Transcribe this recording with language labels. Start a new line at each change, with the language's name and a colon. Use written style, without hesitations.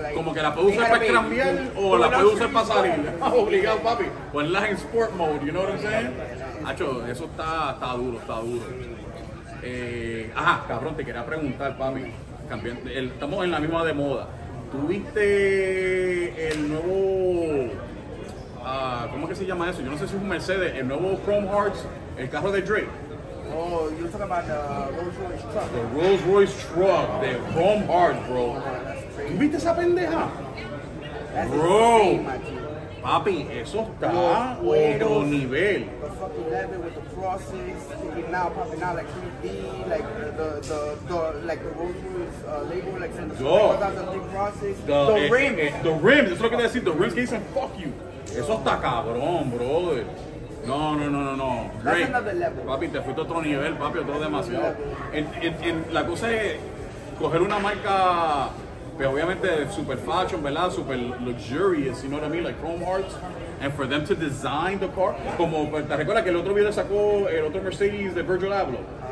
Spanish: Como que la puedo usar para cambiar o la puedo usar para salir. Obligado, papi. Ponerlas en
English: sport mode, you know what I'm saying?
Spanish: Hacho, eso está duro. Cabrón, te quería preguntar, papi. Estamos en la misma de moda. ¿Tuviste el nuevo? ¿Cómo es que se llama eso? Yo no sé si es un Mercedes, el nuevo Chrome Hearts, el carro de Drake.
English: Oh, you're talking about the Rolls Royce truck. The Rolls Royce truck, the Chrome Heart, bro.
Spanish: ¿Tú viste esa pendeja?
English: That's bro. Insane,
Spanish: papi, eso está a otro nivel.
English: The fucking leather with the crosses, now popping out like 3D, like the Rolls Royce label, like some crosses. The rim. The rim, that's what I can say. The rims, he said, fuck you.
Spanish: Eso está cabrón, brother. No.
English: Great. That's another level.
Spanish: Papi, te fuiste a otro nivel, papi, otro demasiado. La cosa es coger una marca, pues obviamente super fashion, ¿verdad?
English: Super luxurious, you know what I mean? Like Chrome Hearts. And for them to design the car.
Spanish: Como, ¿te recuerdas que el otro video sacó el otro Mercedes de Virgil Abloh?